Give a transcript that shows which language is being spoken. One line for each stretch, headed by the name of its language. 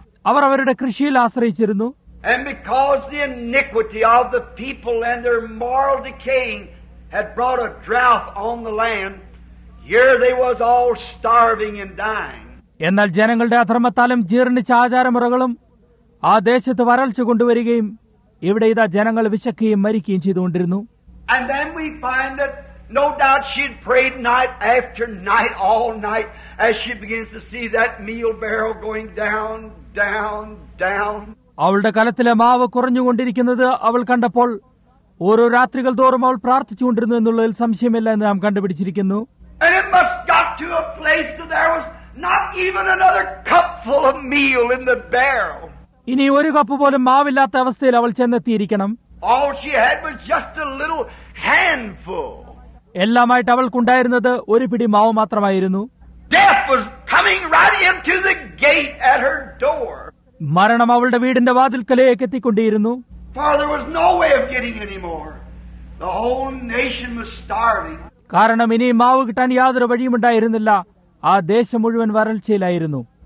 Malayalam: അവർ അവരുടെ കൃഷിയിൽ ആശ്രയിച്ചിരുന്നു.
English: And because the iniquity of the people and their moral decaying had brought a drought on the land, here they was all starving and dying.
Malayalam: എന്നാൽ ജനങ്ങളുടെ അധർമ്മത്താലും ജീർണിച്ച ആചാരമുറകളും ആ ദേശത്ത് വരൾച്ച കൊണ്ടുവരികയും ഇവിടെ ഇതാ ജനങ്ങൾ വിശക്കുകയും മരിക്കുകയും ചെയ്തുകൊണ്ടിരുന്നു.
English: And then we find that no doubt she prayed night after night all night as she begins to see that meal barrel going down, down, down.
Malayalam: അവളുടെ കലത്തിലെ മാവ് കുറഞ്ഞുകൊണ്ടിരിക്കുന്നത് അവൾ കണ്ടപ്പോൾ ഓരോ രാത്രികൾ തോറും അവൾ പ്രാർത്ഥിച്ചുകൊണ്ടിരുന്നു എന്നുള്ളതിൽ സംശയമില്ല എന്ന് നാം കണ്ടുപിടിച്ചിരിക്കുന്നു.
English: And it must got to a place that there was not even another cup full of meal in the barrel.
Malayalam: ഇനി ഒരു കപ്പ് പോലും മാവില്ലാത്ത അവസ്ഥയിൽ അവൾ ചെന്നെത്തിയിരിക്കണം.
English: All she had was just a little handful.
Malayalam: എല്ലാമായിട്ട് അവൾക്കുണ്ടായിരുന്നത് ഒരു പിടി മാവ് മാത്രമായിരുന്നു.
English: Death was coming right into the gate at her door.
Malayalam: മരണം അവളുടെ വീടിന്റെ വാതിൽക്കലേക്ക് എത്തിക്കൊണ്ടിരുന്നു.
English: There was no way of getting any more. The whole nation was starving.
Malayalam: കാരണം ഇനി മാവ് കിട്ടാൻ യാതൊരു വഴിയുമുണ്ടായിരുന്നില്ല. ആ ദേശം മുഴുവൻ വരൾച്ചയിലായിരുന്നു.